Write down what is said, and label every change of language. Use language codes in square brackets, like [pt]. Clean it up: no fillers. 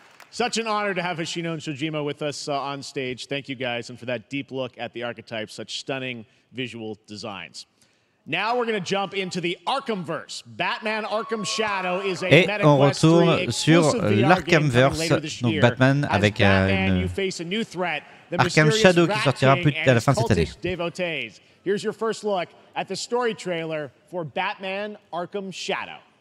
[en] Such an honor to have Hoshino and Shojima with us on stage. Thank you guys, and for that deep look at the archetypes, such stunning visual designs. Now we're going to jump into the Arkhamverse. Batman Arkham Shadow is a [fr] Et on retourne sur l'Arkhamverse, donc Batman avec Arkham Shadow qui sortira plus à la fin de cette année. [en] Devotees. Here's your first look at the story trailer for Batman Arkham Shadow.